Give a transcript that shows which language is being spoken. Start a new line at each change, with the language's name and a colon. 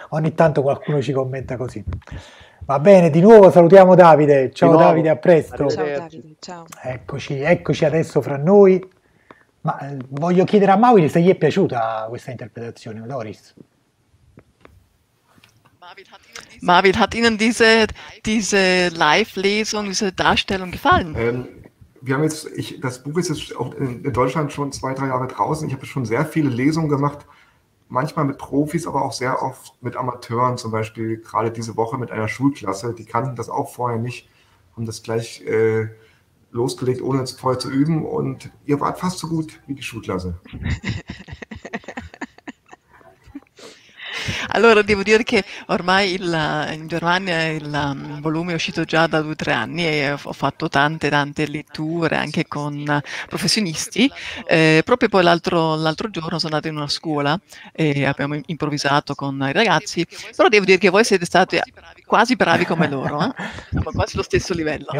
Italian: Ogni tanto qualcuno ci commenta così. Va bene, di nuovo salutiamo Davide. Ciao Davide, a presto. Ciao Davide, ciao. Eccoci adesso fra noi. Ma voglio chiedere a Mawil se gli è piaciuta questa interpretazione, Doris.
German: Mawil, hat Ihnen diese Live-Lesung, diese Darstellung gefallen? Das Buch ist jetzt auch in Deutschland schon 2-3 Jahre draußen. Ich habe schon sehr viele Lesungen gemacht, manchmal mit Profis, aber auch sehr oft mit Amateuren, zum Beispiel gerade diese Woche mit einer Schulklasse. Die kannten das auch vorher nicht, haben das gleich losgelegt, ohne es vorher zu üben. Und ihr wart fast so gut wie die Schulklasse.
Italian: Allora, devo dire che ormai in Germania il volume è uscito già da 2 o 3 anni e ho fatto tante letture anche con professionisti. Proprio poi l'altro giorno sono andato in una scuola e abbiamo improvvisato con i ragazzi, però devo dire che voi siete stati quasi bravi come loro, siamo quasi allo stesso livello.